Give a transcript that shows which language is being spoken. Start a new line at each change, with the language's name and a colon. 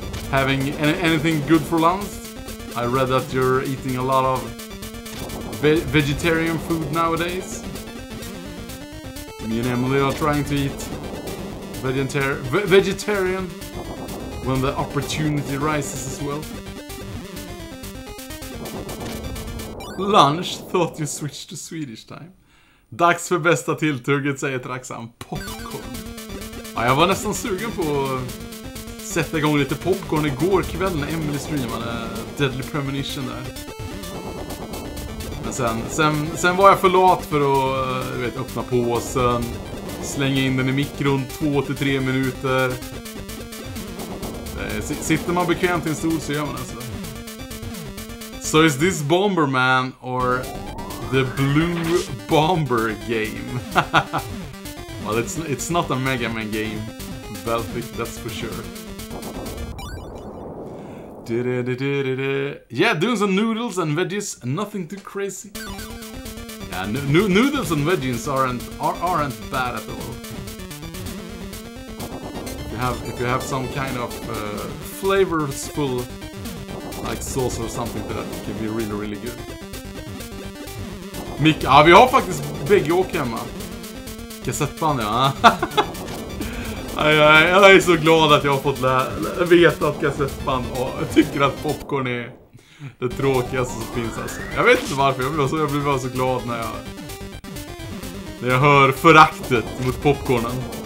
English: Having anything good for lunch? I read that you're eating a lot of vegetarian food nowadays. Me and Emily are trying to eat vegetarian when the opportunity rises as well. Lunch, thought you switched to Swedish time.
Swedish: Dags för bästa tilltugget, säger Traxan. Popcorn. Ja, jag var nästan sugen på att sätta igång lite popcorn igår kväll när Emily streamade Deadly Premonition där. Men sen var jag för lat för att öppna påsen. Slänga in den i mikron 2-3 minuter. Sitter man bekvämt i en stol så gör man det.
English: So is this Bomberman or the Blue Bomber game? Well, it's not a Mega Man game, Belthic, that's for sure. Yeah, doing some noodles and veggies, nothing too crazy. Yeah, noodles and veggies aren't bad at all. If you have some kind of flavorful, like sauce or something, that can be really, really good.
Swedish: Mick, ja, vi har faktiskt bägge åk hemma. Kassettband, ja. Jag är så glad att jag har fått veta att kassettband, och jag tycker att popcorn är det tråkigaste som finns. Alltså. Jag vet inte varför, jag blir bara så glad när jag hör föraktet mot popcornen.